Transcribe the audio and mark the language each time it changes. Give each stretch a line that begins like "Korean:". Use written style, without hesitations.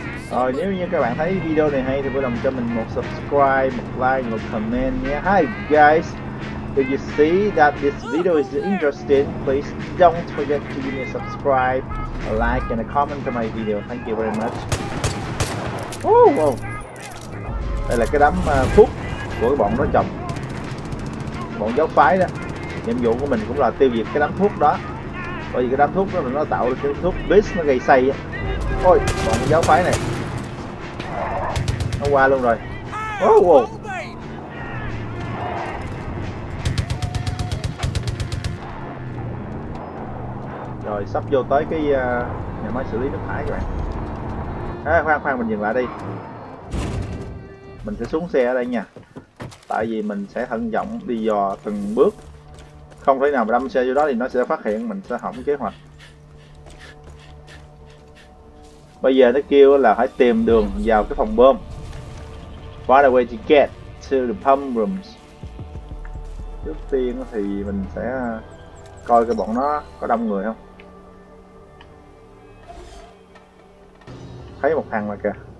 Vietnamese: Rồi nếu như các bạn thấy video này hay thì vui lòng cho mình một subscribe, một like, một comment nhé.
English: Hi guys, if you see that this video is interesting, please don't forget to give me a subscribe, a like and a comment to my video. Thank you very much. Wow.
Vietnamese: Đây là cái đám phúc của bọn nó chồng. Bọn giáo phái đó. Nhiệm vụ của mình cũng là tiêu diệt cái đám thuốc đó. Bởi vì cái đám thuốc đó nó tạo ra cái thuốc beast nó gây say á. Ôi, bọn giáo phái này. nó qua luôn rồi.
English: Oh, wow.
Vietnamese: Rồi sắp vô tới cái nhà máy xử lý nước thải các bạn. À, khoan khoan, mình dừng lại đi. Mình sẽ xuống xe ở đây nha. Tại vì mình sẽ thận trọng đi dò từng bước. Không thể nào mà đâm xe vô đó thì nó sẽ phát hiện mình sẽ hỏng kế hoạch. Bây giờ nó kêu là phải tìm đường vào cái phòng bơm.
English: Find a way to get to the pump rooms.
Vietnamese: Trước tiên thì mình sẽ coi cái bọn nó có đông người không. Thấy một thằng mà kìa.